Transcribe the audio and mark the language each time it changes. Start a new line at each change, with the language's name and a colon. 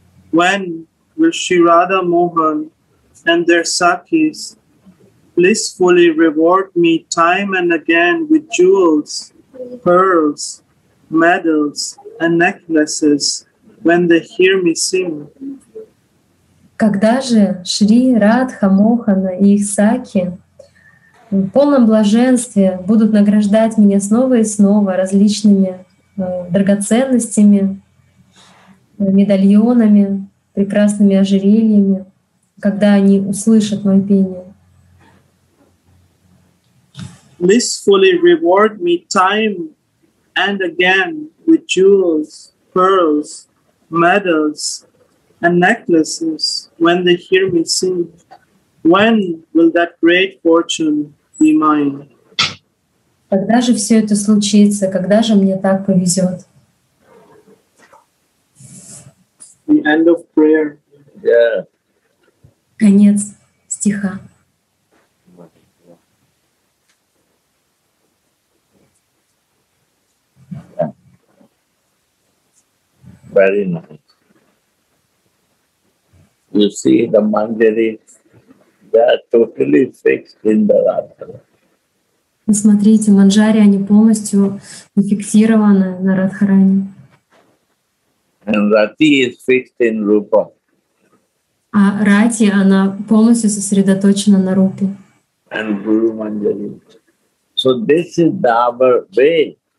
English: When will Shri Radha Mohan and their sakis blissfully reward me time and again with jewels, pearls, medals and necklaces when they hear me sing?
Russian: Когда же Шри Радха Мохана и их саки в полном блаженстве будут награждать меня снова и снова различными драгоценностями, медальонами, прекрасными ожерельями, когда они услышат мое пение.
English: Blissfully reward me time and again with jewels, pearls, medals and necklaces when they hear me sing. When will that great fortune be mine?
Russian: Когда же все это случится? Когда же мне так повезет?
English: The end of prayer. Yeah.
Russian: Конец стиха.
English: Yeah. Very nice. You see the mandiri, they are totally fixed in the Radhara.
Russian: Вы смотрите, манджари, они полностью зафиксированы на Радхаране.
English: And Rati is fixed in Rupa.
Russian: А Рати, она полностью сосредоточена на Рупе.
English: And Guru Manjari. So this is the our way.